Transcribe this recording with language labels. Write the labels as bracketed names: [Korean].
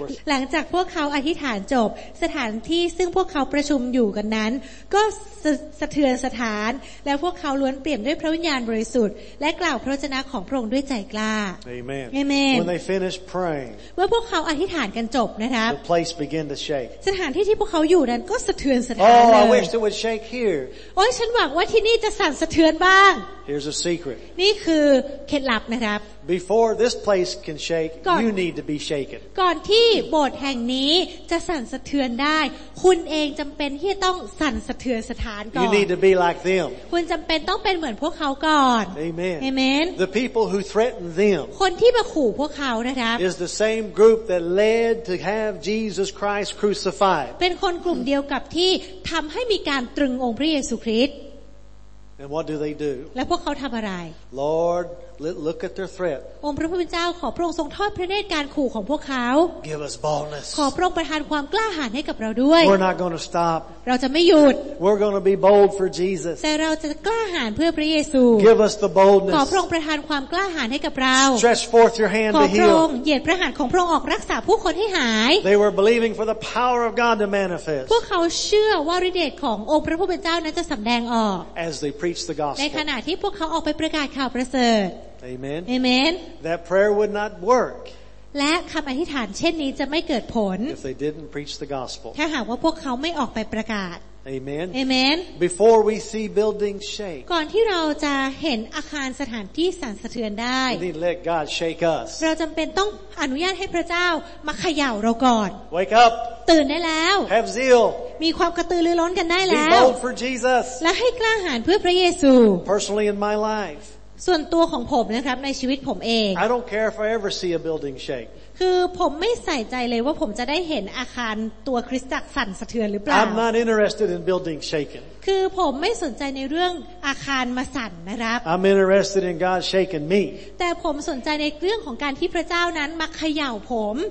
[Thai] หลังจากพวกเขาอธิษฐานจบสถานที่ซึ่งพวกเขาประชุมอยู่กันนั้นก็สะเทือนสถานและพวกเขาล้วนเปลี่ยนด้วยพระวิญญาณบริสุทธิ์และกล่าวพระวจนะของพระองค์ด้วยใจกล้า [English] อาเมน When they finished praying [Thai] เมื่อพวกเขาอธิษฐานกันจบนะครับ [English] The place began to shake [Thai] สถานที่ที่พวกเขาอยู่นั้นก็สะเทือนสถานเลย [English] Oh I wish it would shake here [Thai] โอ้ฉันหวังว่าที่นี่จะสั่นสะเทือนบ้าง [English] Here's a secret [Thai] นี่คือเคล็ดลับนะครับ [English] Before this place can shake, you need to be shaken. [Thai] ก่อนที่โบสถ์แห่งนี้จะสั่นสะเทือนได้คุณเองจำเป็นที่ต้องสั่นสะเทือนสถานก่อน [English] You need to be like them. [Thai] คุณจำเป็นต้องเป็นเหมือนพวกเขาก่อน [English] Amen. Amen. The people who threatened them. [Thai] คนที่มาขู่พวกเขานะครับ [English] Is the same group that led to have Jesus Christ crucified. [Thai] เป็นคนกลุ่มเดียวกับที่ทำให้มีการตรึงองค์พระเยซูคริสต์ [English] And what do they do? [Thai] และพวกเขาทำอะไร [English] Lord. Look at their threat. [Thai] องค์พระผู้เป็นเจ้าขอพระองค์ทรงทอดพระเนตรการขู่ของพวกเขา [English] Give us boldness. [Thai] ขอพระองค์ประทานความกล้าหาญให้กับเราด้วย [English] We're not going to stop. [Thai] เราจะไม่หยุด [English] We're going to be bold for Jesus. [Thai] แต่เราจะกล้าหาญเพื่อพระเยซู [English] Give us the boldness. [Thai] ขอพระองค์ประทานความกล้าหาญให้กับเรา [English] Stretch forth your hand to heal. [Thai] ขอพระองค์เหยียดพระหัตถ์ของพระองค์ออกรักษาผู้คนให้หาย [English] They were believing for the power of God to manifest. [Thai] พวกเขาเชื่อว่าฤทธิ์เดชขององค์พระผู้เป็นเจ้านั้นจะสำแดงออก [English] As they preached the gospel. [Thai] ในขณะที่พวกเขาออกไปประกาศข่าวประเสริฐ [English] Amen. Amen. That prayer would not work. [Thai] และคำอธิษฐานเช่นนี้จะไม่เกิดผล [English] If they didn't preach the gospel. [Thai] ถ้าหากว่าพวกเขาไม่ออกไปประกาศ [English] Amen. Amen. Before we see buildings shake. [Thai] ก่อนที่เราจะเห็นอาคารสถานที่สั่นสะเทือนได้ [English] We need to let God shake us. [Thai] เราจำเป็นต้องอนุญาตให้พระเจ้ามาเขย่าเราก่อน [English] Wake up. [Thai] ตื่นได้แล้ว [English] Have zeal. [Thai] มีความกระตือรือร้นกันได้แล้ว [English] Be bold for Jesus. [Thai] และให้กล้าหาญเพื่อพระเยซู [English] Personally in my life. [Thai] ส่วนตัวของผมนะครับในชีวิตผมเอง [English] I don't care if I ever see a building shake [Thai] คือผมไม่ใส่ใจเลยว่าผมจะได้เห็นอาคารตัวคริสตจักรสั่นสะเทือนหรือเปล่า [English] I'm not interested in building shaken [Thai] คือผมไม่สนใจในเรื่องอาคารมาสั่นนะครับ [English] I'm interested in God shaking me [Thai] แต่ผมสนใจในเรื่องของการที่พระเจ้านั้นมาเขย่าผม